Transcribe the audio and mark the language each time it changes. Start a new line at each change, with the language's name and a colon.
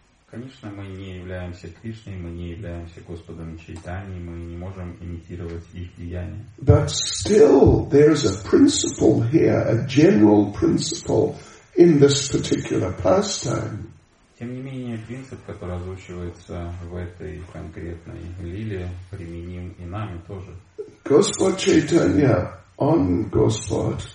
Russian: Конечно, мы не являемся Кришной, мы не являемся Господом Чайтани, мы не можем имитировать их деяния.
English: But still, there's a principle here, a general principle in this particular pastime.
Russian: Тем не менее, принцип, который озвучивается в этой конкретной лиле, применим и нами тоже. Господь Чайтанья, он Господь?